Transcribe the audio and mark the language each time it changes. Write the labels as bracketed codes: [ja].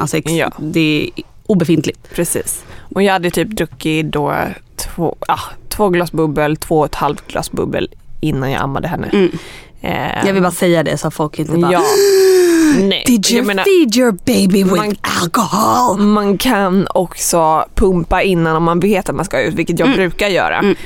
[sv] Alltså det är obefintligt. Precis. Och jag hade typ druckit då två glas bubbel, två och ett halvt glas bubbel innan jag ammade henne. Jag vill bara säga det så folk inte bara... Ja. Nej. [en] Did you feed your baby with alcohol? [sv] Man kan också pumpa innan om man vet att man ska ut, vilket jag brukar göra.